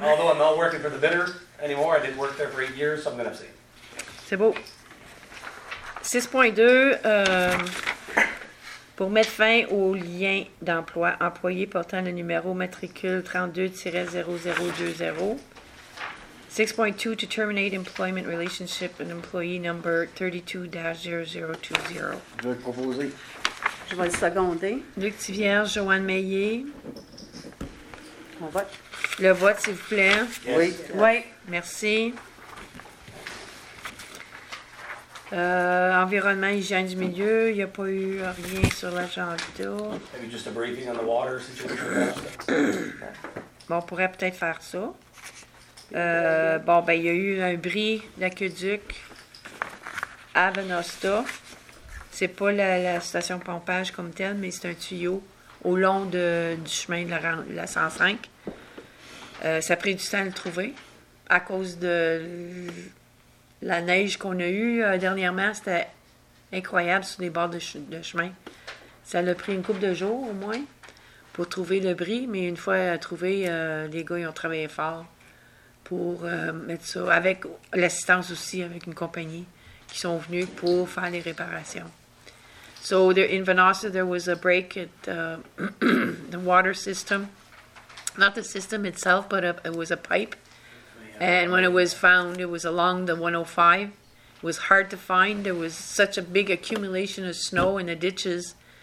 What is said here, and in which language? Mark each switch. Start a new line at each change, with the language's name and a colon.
English: Although I'm not working for the bidder anymore, I did work there for 8 years, so I'm going to abstain.
French: C'est beau. 6.2, pour mettre fin au lien d'emploi employé portant le numéro matricule 32-0020.
English: 6.2, to terminate employment relationship and employee number 32-0020.
French: Je vais le proposer. Je vais le seconder. Luc Thivierge, Joanne Meillet. On vote. Le vote, s'il vous plaît.
English: Yes.
French: Oui. Oui. Merci. Environnement, hygiène du milieu, il n'y a pas eu rien sur l'agenda.
English: Maybe just a briefing on the water situation.
French: Bon, on pourrait peut-être faire ça. Bon, ben, il y a eu un bris d'aqueduc à Venosta. C'est pas la station pompage comme telle, mais c'est un tuyau au long du chemin de la 105. Ça a pris du temps à le trouver à cause de la neige qu'on a eue dernièrement. C'était incroyable sur les bords de chemin. Ça l'a pris une couple de jours au moins pour trouver le bris, mais une fois trouvé, les gars ils ont travaillé fort pour mettre ça, avec l'assistance aussi, avec une compagnie qui sont venus pour faire les réparations.
English: So, in Venosta, there was a break at the water system. Not the system itself, but it was a pipe. And when it was found, it was along the 105. It was hard to find. There was such a big accumulation of snow in the ditches.